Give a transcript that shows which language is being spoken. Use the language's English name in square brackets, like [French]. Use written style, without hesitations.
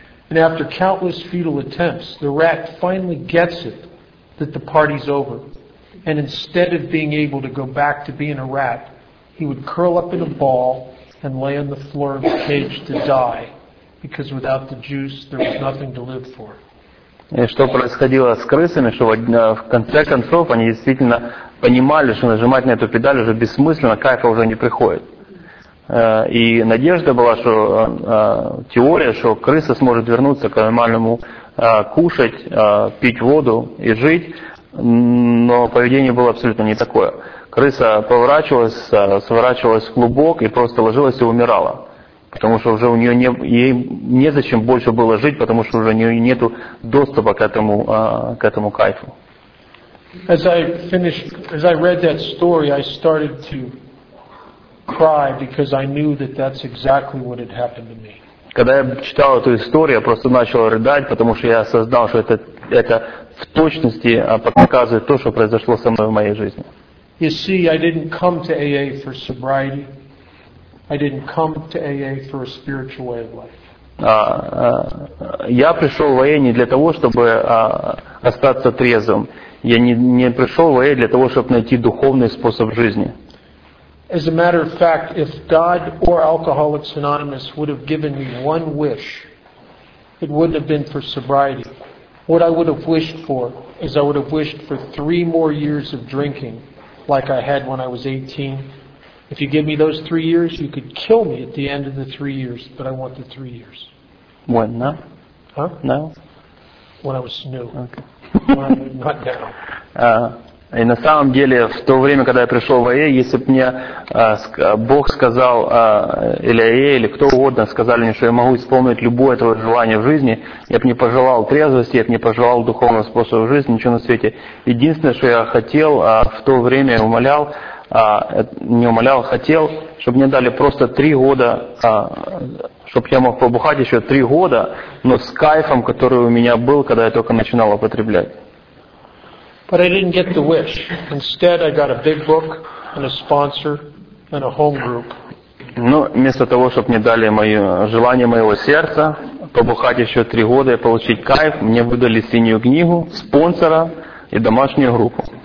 [English] And after countless futile attempts, the rat finally gets it that the party's over. And instead of being able to go back to being a rat, he would curl up in a ball and lay on the floor of the cage to die, because without the juice, there was nothing to live for. [Russian] И что происходило с крысами, что в конце концов они действительно понимали, что нажимать на эту педаль уже бессмысленно, кайфа уже не приходит. И надежда была, что теория, что крыса сможет вернуться к нормальному кушать, пить воду и жить, но поведение было абсолютно не такое. Крыса поворачивалась, сворачивалась в клубок и просто ложилась и умирала. Потому что уже у нее ей незачем больше было жить, потому что уже у нее нету доступа к этому кайфу. [English] As I finished, as I read that story, I started to cry because I knew that that's exactly what had happened to me. [Russian] Когда я читал эту историю, я просто начал рыдать, потому что я осознал, что это в точности показывает то, что произошло со мной в моей жизни. [English] You see, I didn't come to AA for sobriety. I didn't come to AA for a spiritual way of life. [Russian] Я пришел в АА не для того, чтобы остаться трезвым. Я не пришел в АА для того, чтобы найти духовный способ жизни. [English] As a matter of fact, if God or Alcoholics Anonymous would have given me one wish, it wouldn't have been for sobriety. What I would have wished for is I would have wished for 3 more years of drinking, like I had when I was 18. If you give me those 3 years, you could kill me at the end of the 3 years, but I want the 3 years. When now? Huh? Now? When I was new. Okay. Not now. [Russian] И на самом деле, в то время, когда я пришел в АЭ, если бы мне Бог сказал, или АЭ, или кто угодно, сказали мне, что я могу исполнить любое твое желание в жизни, я бы не пожелал трезвости, я бы не пожелал духовного способа жизни, ничего на свете. Единственное, что я хотел, в то время умолял, не умолял, хотел, чтобы мне дали просто 3 года, чтобы я мог побухать еще 3 года, но с кайфом, который у меня был, когда я только начинал употреблять. [English] But I didn't get the wish. Instead, I got a big book and a sponsor and a home group. [Russian] Ну, вместо того, чтобы мне дали мое желание моего сердца побухать еще 3 года и получить кайф, мне выдали синюю книгу, спонсора и домашнюю группу.